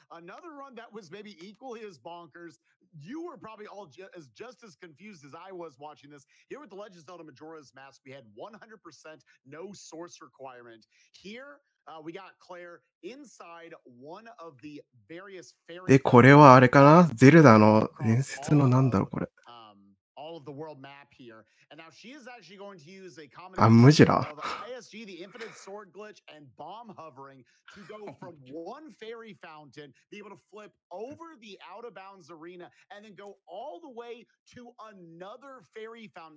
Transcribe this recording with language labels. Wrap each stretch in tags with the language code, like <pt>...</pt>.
<en>Another run that was maybe equally as bonkers. You were probably all just as confused as I was watching this. Here with the Legend of Zelda Majora's Mask, we had 100% no source requirement. Here, we got Claire inside one of the various fairy.</en> <ja>で、これはあれかな？ゼルダの伝説のなんだろうこれ。</ja> <en>All of the world map here, and now she is actually going to use a combination of ISG, the infinite sword glitch, and bomb hovering to go from one fairy fountain, be able to flip over the out of bounds arena, and then go all the way to another fairy fountain.</en>